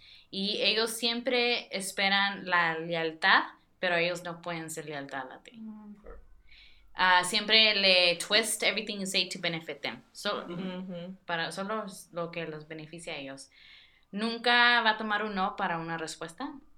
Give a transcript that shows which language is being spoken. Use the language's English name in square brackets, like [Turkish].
[Spanish] Y ellos siempre esperan la lealtad, pero ellos no pueden ser lealtad a ti. Mm. Siempre le [English] twist everything you say to benefit them. So, mm-hmm. [Spanish] para solo lo que los beneficia a ellos. Nunca va a tomar un no para una respuesta.